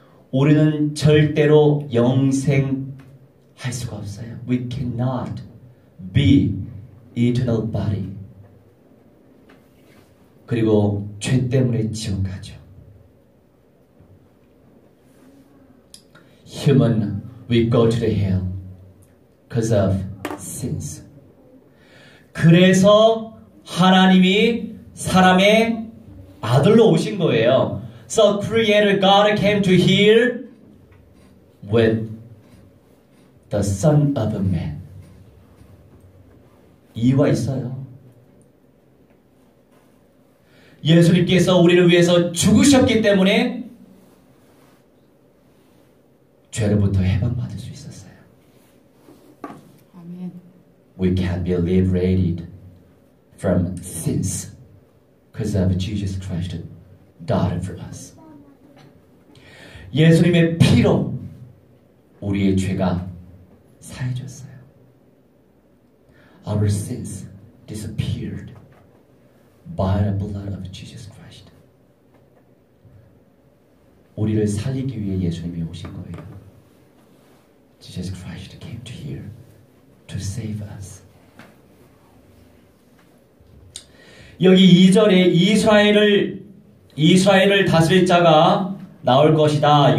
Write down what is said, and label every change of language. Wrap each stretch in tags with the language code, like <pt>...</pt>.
<ko>우리는 절대로 영생 할 수가 없어요.</ko> <en>We cannot be eternal body.</en> <ko>그리고 죄 때문에 지옥 가죠.</ko> <en>Human, we go to the hell because of sins.</en> <ko>그래서 하나님이 사람의 아들로 오신 거예요.</ko> <en>So Creator God came to here with the Son of a Man.</en> <ko>이유가 있어요. 예수님께서 우리를 위해서 죽으셨기 때문에 죄로부터 해방받을 수 있었어요.</ko> <en>Amen. We can be liberated from sins because of Jesus Christ died for us.</en> <ko>예수님의 피로 우리의 죄가 사해졌어요.</ko> <en>Our sins disappeared by the blood of Jesus Christ.</en> <ko>우리를 살리기 위해 예수님이 오신 거예요.</ko> <en>Jesus Christ came to here to save us.</en> <ko>여기 2절에 이스라엘을 다스릴 자가 나올 것이다.</ko>